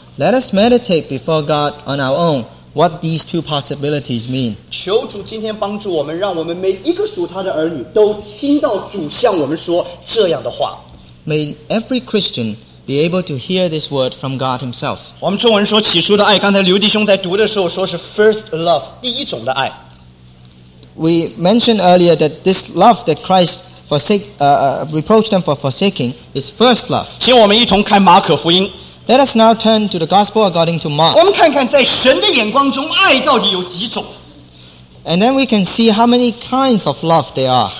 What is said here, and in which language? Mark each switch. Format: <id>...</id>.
<en>Let us meditate before God on our own what these two possibilities mean.</en> <zh>求主今天帮助我们,让我们每一个属他的儿女都听到主向我们说这样的话。</zh> <en>May every Christian be able to hear this word from God himself.</en> <zh>我们中文说起初的爱,刚才刘弟兄在读的时候说是</zh> <en>first love,</en> <zh>第一种的爱。</zh> <en>We mentioned earlier that this love that Christ reproached them for forsaking is first love.</en> <zh>请我们一同看马可福音。</zh> <en>Let us now turn to the gospel according to Mark.</en> <zh>我们看看在神的眼光中, 爱到底有几种?</zh> <en>And then we can see how many kinds of love there are.</en>